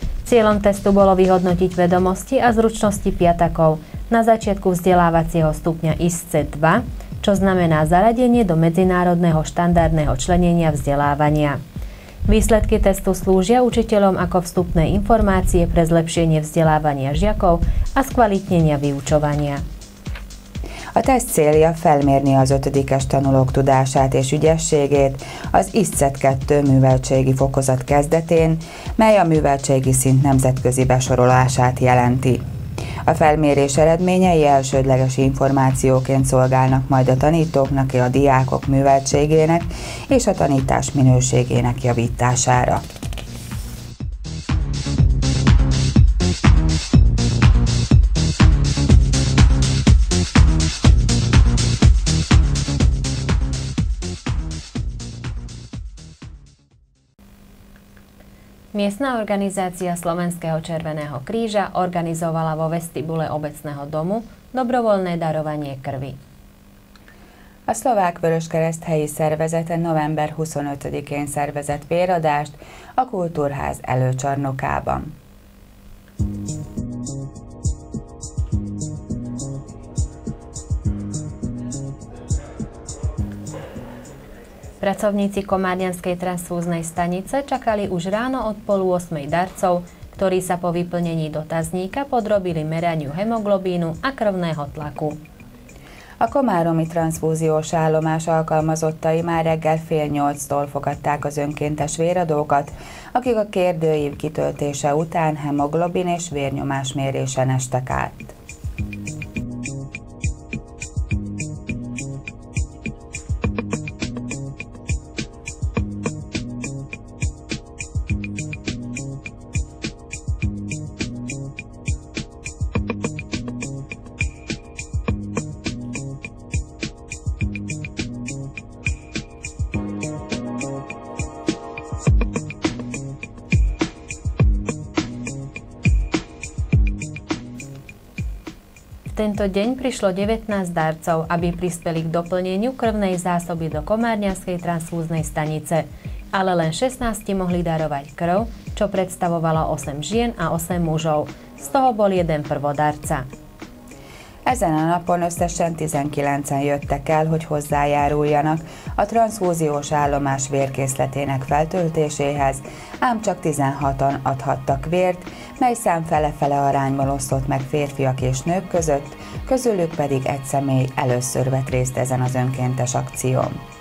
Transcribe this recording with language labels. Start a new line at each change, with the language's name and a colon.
Slovak: Cieľom testu bolo vyhodnotiť vedomosti a zručnosti piatakov na začiatku vzdelávacieho stupňa ISC-2, čo znamená zaradenie do medzinárodného štandardného členenia vzdelávania. Výsledky testu slúžia učiteľom ako vstupné informácie pre zlepšenie vzdelávania žiakov a skvalitnenia vyučovania.
Hungarian: A teszt célja felmérni az 5-es tanulók tudását és ügyességét az ISC-2 műveltségi fokozat kezdetén, mely a műveltségi szint nemzetközi besorolását jelenti. A felmérés eredményei elsődleges információként szolgálnak majd a tanítóknak és a diákok műveltségének és a tanítás minőségének javítására.
Slovak: Miestna organizácia Slovenského Červeného kríža organizovala vo vestibule obecného domu dobrovoľné darovanie krvi.
Hungarian: A Szlovák Vöröskereszt helyi szervezete november 25-én szervezett véradást a Kultúrház előcsarnokában.
Slovak: Pracovníci Komárňanskej transfúznej stanice čakali už ráno od polu 8 darcov, ktorí sa po vyplnení dotazníka podrobili meraniu hemoglobínu a krvného tlaku.
Hungarian: A komáromi transfúziós állomás alkalmazottai már reggel 7:30-tól fogadták az önkéntes véradókat, akik a kérdőív kitöltése után hemoglobin és vérnyomás mérésen estek át.
Slovak: Tento deň prišlo 19 darcov, aby prispeli k doplneniu krvnej zásoby do Komárňanskej transfúznej stanice, ale len 16 mohli darovať krv, čo predstavovalo 8 žien a 8 mužov. Z toho bol jeden prvodarca.
Hungarian: Ezen a napon összesen 19-en jöttek el, hogy hozzájáruljanak a transfúziós állomás vérkészletének feltöltéséhez, ám csak 16-an adhattak vért, mely szám fele-fele arányban osztott meg férfiak és nők között, közülük pedig egy személy először vett részt ezen az önkéntes akción.